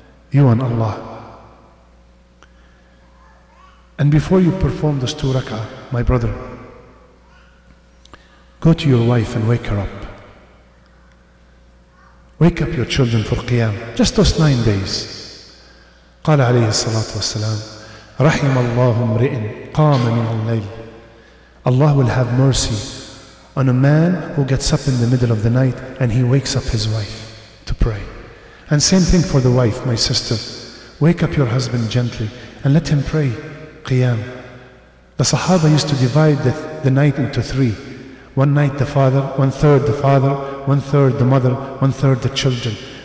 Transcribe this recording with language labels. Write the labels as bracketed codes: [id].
[en] you and Allah. And before you perform this two rak'ah, my brother, go to your wife and wake her up. Wake up your children for qiyam, just those 9 days. [ar] قال عليه الصلاة والسلام, رحم الله امرئ قام من الليل. [en] Allah will have mercy on a man who gets up in the middle of the night and he wakes up his wife to pray. And same thing for the wife, my sister. Wake up your husband gently and let him pray qiyam. The Sahaba used to divide the night into three. One night the father, one third the father, one third the mother, one third the children.